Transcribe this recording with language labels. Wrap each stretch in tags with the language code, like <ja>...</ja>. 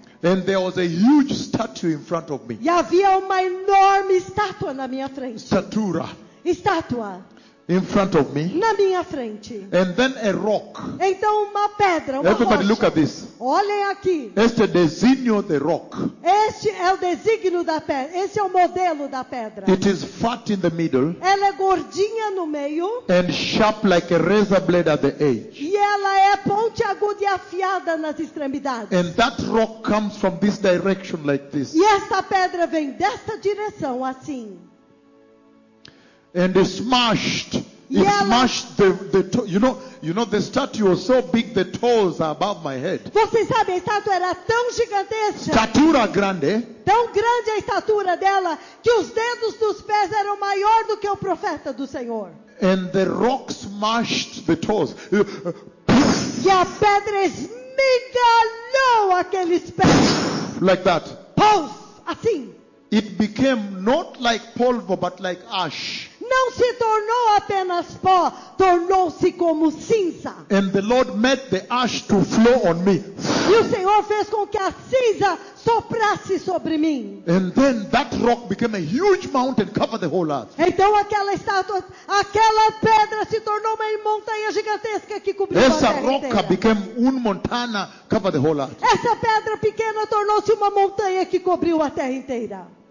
<en>And there was a huge statue in front of me.</en> <pt>E havia uma enorme estátua na minha frente.</pt> <it>Statura.</it> <pt>Estátua.</pt> <en>In front of me.</en> <pt>Na minha frente.</pt> <en>And then a rock.</en> <pt>Então uma pedra, uma</pt> <en>Everybody</en> <pt>rocha.</pt> <en>Look at this.</en> <pt>Olhem aqui. Este é o desenho da rock. Este é o desígnio da pedra. Este é o modelo da pedra.</pt> <en>It is fat in the middle.</en> <pt>Ela é gordinha no meio.</pt> <en>And sharp like a razor blade at the edge.</en> <pt>E ela é pontiaguda e afiada nas extremidades.</pt> <en>And that rock comes from this direction like this.</en> <pt>E essa pedra vem desta direção assim.</pt> <en>And it smashed the you know the statue was so big the toes are above my head.</en> <pt>Você sabe, a estátua era tão gigantesca. Estatura grande. Tão grande a estatura dela que os dedos dos pés eram maior do que o profeta do Senhor.</pt> <en>And the rock smashed the toes.</en> <pt>E a pedra esmigalhou aqueles pés.</pt> <en>Like that.</en> <pt>Pouf, assim.</pt> <en>It became not like pulver but like ash.</en> <pt>Não se tornou apenas pó, tornou-se como cinza.</pt> <en>And the Lord made the ash to flow on me.</en> <pt>E o Senhor fez com que a cinza soprasse sobre mim.</pt> <en>And then that rock became a huge mountain, covered the whole earth.</en> <pt>Então aquela estátua, aquela pedra se tornou uma montanha gigantesca que cobriu Essa a terra. Essa roca</pt> <en>became</en> <pt>uma montanha,</pt> <en>covered the whole earth.</en> <pt>Essa pedra pequena tornou-se uma montanha que cobriu a terra inteira.</pt>